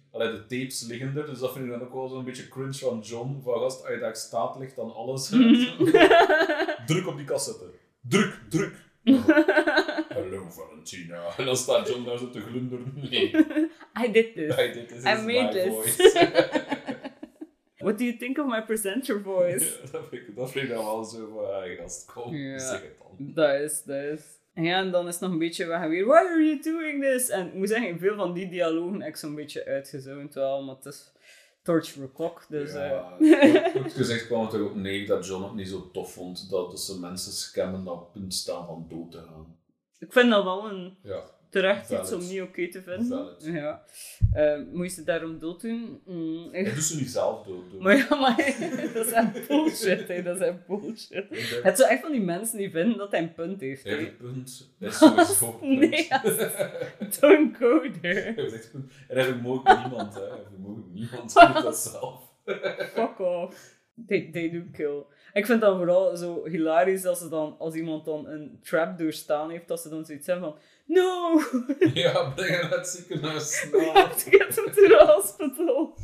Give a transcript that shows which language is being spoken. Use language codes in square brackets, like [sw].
[nl] Allee, de tapes liggen er, dus dat vind ik dan ook wel zo'n beetje cringe van John. Van gast, als je daar staat, ligt dan alles. Druk op die cassette. Druk. Hallo, Valentina. En dan staat John daar zo te glunderen. Nee. [en] I did this. I made this. What do you think of my presenter voice? [nl] dat vind ik dan wel zo van, gast, kom, zeg het dan. Dat is. Ja, en dan is het nog een beetje, we gaan weer, [en] why are you doing this? [nl] En ik moet zeggen, veel van die dialogen heb ik zo'n beetje uitgezoomd wel, maar het is torch for clock, dus... Ja, goed gezegd kwam het er ook neer dat John het niet zo tof vond, dat ze mensen scammen dat punt staan van dood te gaan. Ik vind dat wel een terecht valid. Iets om niet oké te vinden. [en] Valid. [nl] Ja. Moet je ze daarom dood doen? Ik doe ze niet zelf dood doen. Maar ja, maar dat is echt bullshit. Het is echt van die mensen die vinden dat hij een punt heeft. Hij heeft een punt. Hij is sowieso een punt. Nee, [en] don't go there. [nl] Hij heeft echt een punt. Hij doet dat zelf. [en] Fuck off. They do kill. [nl] Ik vind dat vooral zo hilarisch dat ze dan, als iemand dan een trap doorstaan heeft, dat ze dan zoiets hebben van... [en] No! [nl] Ja, breng hem naar het ziekenhuis. [en] We have to get him to the hospital.